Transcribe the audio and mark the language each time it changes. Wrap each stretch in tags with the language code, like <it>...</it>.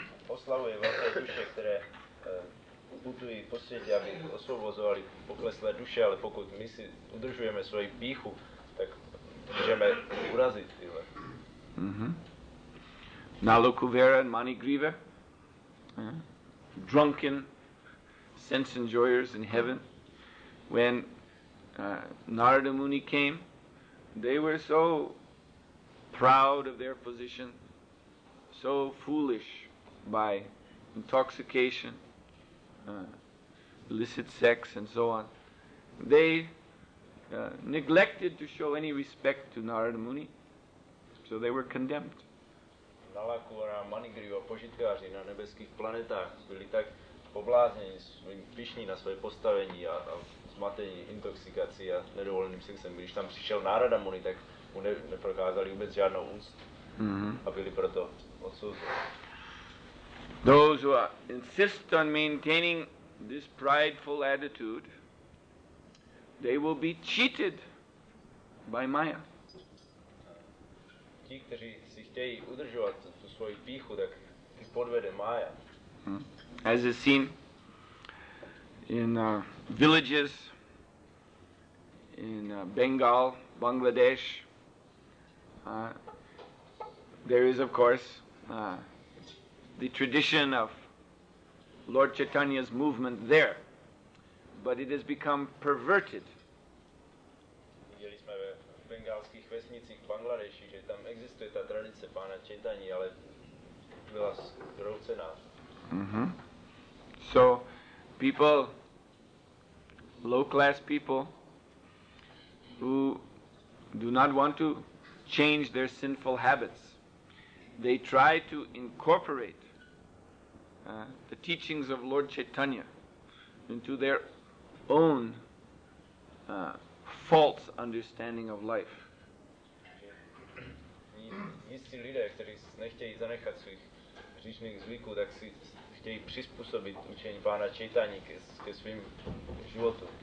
<cs>oslavuje velké duše, které putují po světě, aby osvobozovali pokleslé duše, ale pokud my si udržujeme svoji píchu, tak můžeme urazit tyhle.</cs> <en>Na loku vera and money griever, drunken sense enjoyers in heaven, when Narada Muni came, they were so proud of their position, so foolish by intoxication, illicit sex and so on. They neglected to show any respect to Narada Muni, so they were condemned.</en> <cs>Nalaku a Manigriva, požitkáři na nebeských planetách, byli tak poblázněni, pyšní na svoje postavení a zmatení, intoxikací a nedovoleným sexem. Když tam přišel Narada Muni, tak mu neprokázali vůbec žádnou úct a byli proto odsouzeni.</cs> <en>Those who insist on maintaining this prideful attitude, they will be cheated by Maya.</en> <cs>Ti, kteří si chtějí udržovat tu svoji píchu, tak ty podvede Maya.</cs> <en>As is seen in villages in Bengal, Bangladesh, there is of course the tradition of Lord Chaitanya's movement there, but it has become perverted.</en> <cs>Viděli jsme ve bengalských vesnicích v Bangladeši, že tam existuje ta tradice pána Chaitanyi, ale byla zkroucená.</cs> <en>So people, low-class people, who do not want to change their sinful habits, they try to incorporate the teachings of Lord Chaitanya into their own false understanding of life.</en> <cs>Jistí lidé, kteří nechtějí zanechat svých hříšných zvyků, tak si chtějí přizpůsobit učení pána Chaitanyi ke svým životu.</cs>